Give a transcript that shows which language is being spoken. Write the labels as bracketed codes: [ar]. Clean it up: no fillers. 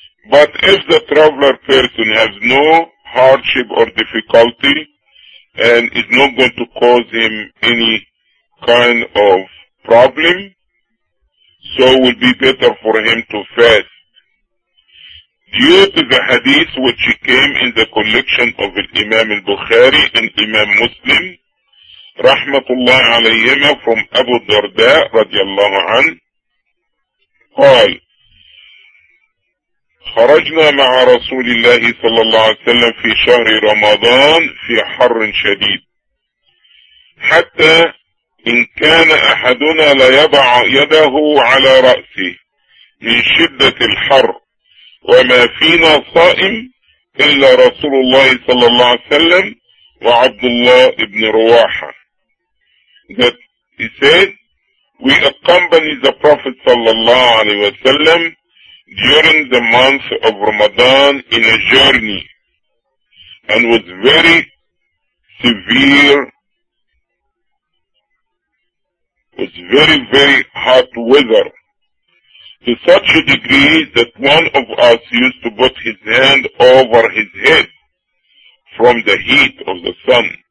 [en] But if the traveler person has no hardship or difficulty and is not going to cause him any kind of problem, so it would be better for him to fast. Due to the hadith which came in the collection of Imam al-Bukhari and Imam Muslim, rahmatullah alayhima, from Abu Darda radiallahu anhu, قال [ar] خرجنا مع رسول الله صلى الله عليه وسلم في شهر رمضان في حر شديد حتى إن كان أحدنا لا يضع يده على رأسه من شدة الحر وما فينا صائم إلا رسول الله صلى الله عليه وسلم وعبد الله بن رواحة. [en] That he said, we accompanied the Prophet sallallahu alaihi wasallam during the month of Ramadan in a journey, and with very severe, with very, very hot weather, to such a degree that one of us used to put his hand over his head from the heat of the sun.